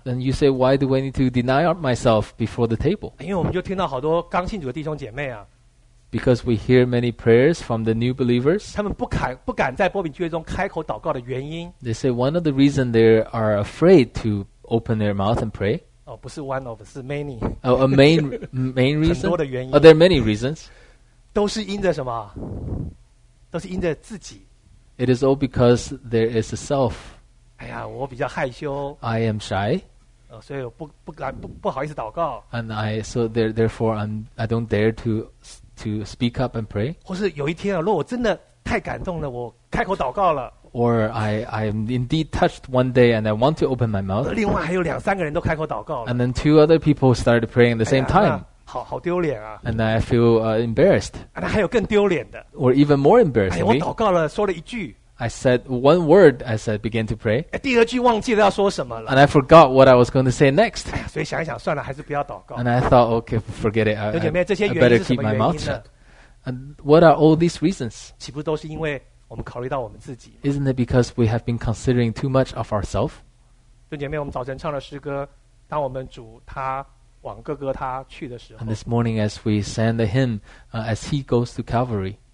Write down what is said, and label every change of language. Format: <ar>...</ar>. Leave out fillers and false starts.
<en>Then you say, why do I need to deny myself before the table?</en> <zh>因为我们就听到好多刚信主的弟兄姐妹啊,</zh> <en>because we hear many prayers from the new believers.</en> <zh>他们不敢在波饼聚会中开口祷告的原因,</zh> <en>they say one of the reasons they are afraid to open their mouth and pray.</en> <zh>不是</zh> <en>one of,</en> <zh>是</zh> <en>many. Oh, a main reason?</en> <zh>很多的原因,</zh> <en>oh, there are many reasons.</en> <zh>都是因着什么?都是因着自己,</zh> <en>it is all because there is a self.</en> <zh>哎呀, 我比较害羞,</zh> <en>I am shy.</en> <zh>所以我不好意思祷告,</zh> <en>and I, so therefore I don't dare to speak up and pray.</en> <zh>或是有一天啊, 如果我真的太感动了, 我开口祷告了,</zh> <en>or I am indeed touched one day and I want to open my mouth.</en> <zh>另外还有两三个人都开口祷告了,</zh> <en>and then two other people started praying at the same time.</en> <zh>好丢脸啊,</zh> <en>and I feel embarrassed.</en> <zh>那还有更丢脸的,</zh> <en>or even more embarrassing.</en> <zh>我祷告了说了一句,</zh> <en>I said one word as I began to pray,</en> <zh>第二句忘记了要说什么了,</zh> <en>and I forgot what I was going to say next.</en> <zh>所以想一想, 算了, 还是不要祷告,</zh> <en>and I thought, okay, forget it, I better keep my mouth shut. And what are all these reasons?</en> <zh>岂不都是因为我们考虑到我们自己,</zh> <en>isn't it because we have been considering too much of ourselves?</en> <zh>兄姐妹我们早晨唱的诗歌, 当我们主他 往哥哥他去的时候,</zh> <en>and this morning as we sang the hymn, as he goes to Calvary,</en>